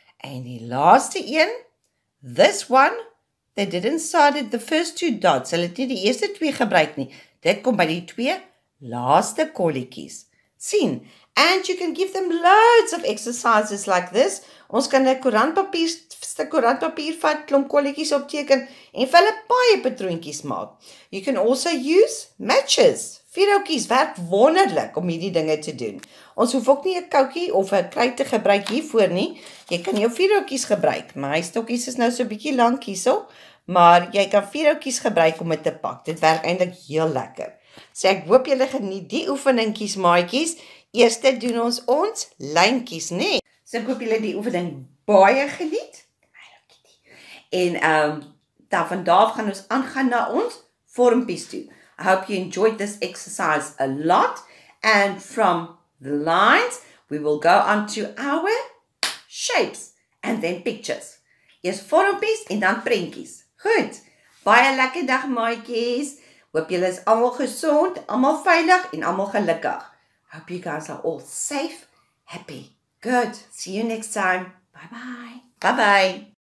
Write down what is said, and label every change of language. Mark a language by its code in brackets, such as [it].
[en] And the last een, this one, they didn't start it the first two dots. [af] Hulle het nie die eerste twee gebruik nie. Dit kom by die twee laaste kolletjies. [en] Sien, and you can give them loads of exercises like this. [af] Ons kan 'n koerantpapier vat, klomp kolletjies opteken en vir hulle baie patroontjies maak. [en] You can also use matches. [af] Vuurhoutjies werk wonderlik om hierdie dinge te doen. Ons hoef ook nie 'n koutjie of 'n kruit te gebruik hiervoor nie. Jy kan jou vuurhoutjies gebruik. My stokkies is nou so 'n bietjie lank hierso, maar jy kan vuurhoutjies gebruik om dit te pak. Dit werk eintlik heel lekker. So ek hoop julle geniet die oefeningkies, maatjies. Eerste doen ons ons lyntjies, nê? So ek hoop julle die oefening baie geniet. En daarvan daar gaan ons aangaan na ons vormpies toe. [en] I hope you enjoyed this exercise a lot. And from the lines, we will go on to our shapes and then pictures. [af] Eers vormpies en dan prentjies. Goed, baie lekker dag maatjies. Hoop julle is allemaal gezond, allemaal veilig en allemaal gelukkig. [en] Hope you guys are all safe, happy. Good, see you next time. Bye bye. Bye bye.